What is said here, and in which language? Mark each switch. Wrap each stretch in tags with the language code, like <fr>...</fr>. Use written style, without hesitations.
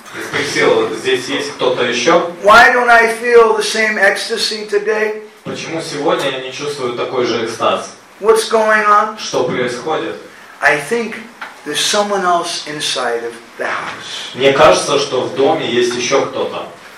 <ru>Спросил, здесь есть кто-то еще?</ru> <en>Why don't I feel the same ecstasy today?</en> <ru>Почему сегодня я не чувствую такой же экстаз?</ru> <en>What's going on?</en> <ru>Что происходит?</ru> <en>I think there's someone else inside of the house.</en> <ru>Мне кажется, что в доме есть еще кто-то.</ru>